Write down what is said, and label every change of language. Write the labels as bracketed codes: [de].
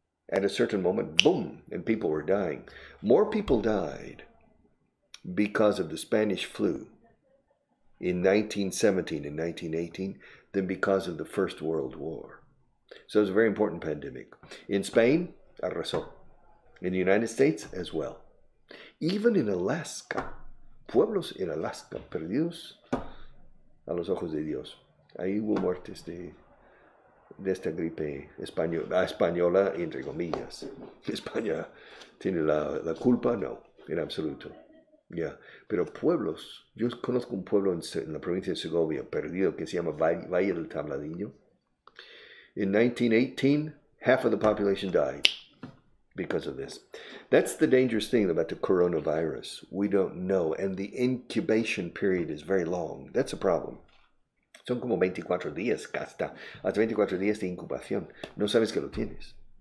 [en] At a certain moment, boom, and people were dying. More people died because of the Spanish flu in 1917 and 1918 than because of the First World War. So it was a very important pandemic. In Spain, [es] arrasó. [en] in the United States as well. Even in Alaska, [es] pueblos en Alaska, perdidos a los ojos de Dios. Ahí hubo muertes de esta gripe española, entre comillas. España tiene la culpa, no, en absoluto. [en] Yeah. [es] Pero pueblos, yo conozco un pueblo en la provincia de Segovia, perdido, que se llama Valle del Tabladillo. [en] In 1918, half of the population died because of this. That's the dangerous thing about the coronavirus. We don't know. And the incubation period is very long. That's a problem. [es] Son como 24 días, hasta 24 días de incubación. No sabes que lo tienes.